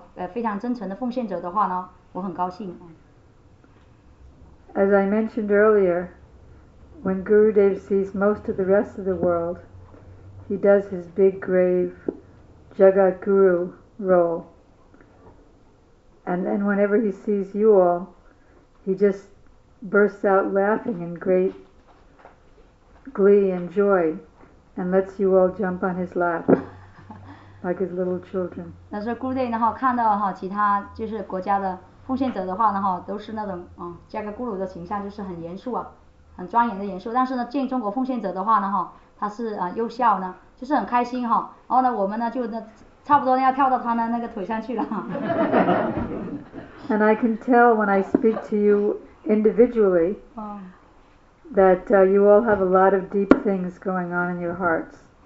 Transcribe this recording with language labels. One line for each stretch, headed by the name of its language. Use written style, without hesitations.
Chinese: 所以我再次见到你们这些非常真诚的奉献者的话呢，我很高兴。
English: As I mentioned earlier, when Gurudev sees most of the rest of the world, He does his big grave Jagat Guru role. And then whenever he sees you all, he just bursts out laughing in great glee and joy and lets you all jump on his lap like his little children.
Chinese: 但是Gurudev看到其他国家的奉献者的话都是那种Jagat Guru的形象，就是很严肃，很庄严的严肃，但是敬中国奉献者的话，他是又笑呢。就是很开心，然后我们就差不多要跳到他的腿上去了。And
English: I can tell when I speak to you individually that you all have a lot of deep things going on in your hearts.